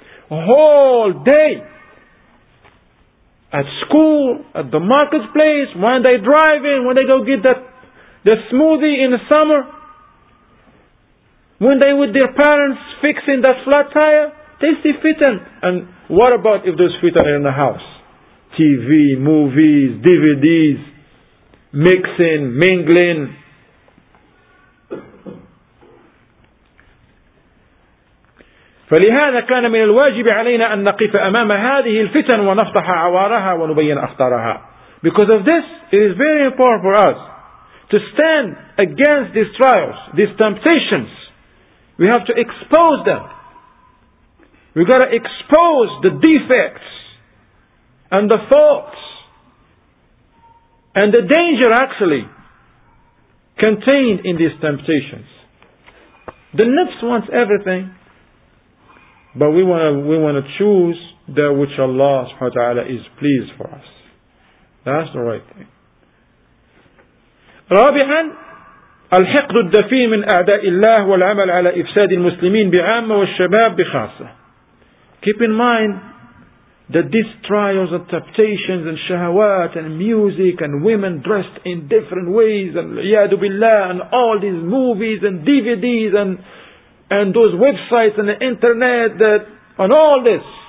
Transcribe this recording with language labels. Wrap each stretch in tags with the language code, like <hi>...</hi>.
<en>Whole day. At school, at the marketplace, when they drive in, when they go get the smoothie in the summer, when they with their parents fixing that flat tire, they see fit and what about if those fit are in the house? TV, movies, DVDs, mixing, mingling.</en> <ar>فلهذا كان من الواجب علينا أن نقف أمام هذه الفتن ونفتح عوارها ونبين أخطارها.</ar> <en>Because of this, it is very important for us to stand against these trials, these temptations. We have to expose them. We got to expose the defects and the faults and the danger actually contained in these temptations. The nafs wants everything. But we want to choose that which Allah subhanahu wa ta'ala is pleased for us. That's the right thing.</en> <ar>رابعا الحقد الدفيء من أعداء الله والعمل على إفساد المسلمين بعامة والشباب بخاصة.</ar> <en>Keep in mind that these trials and temptations and shahawat and music and women dressed in different ways and</en> <ar>عياذ بالله</ar> <en>and all these movies and DVDs and those websites and the internet that and all this</en>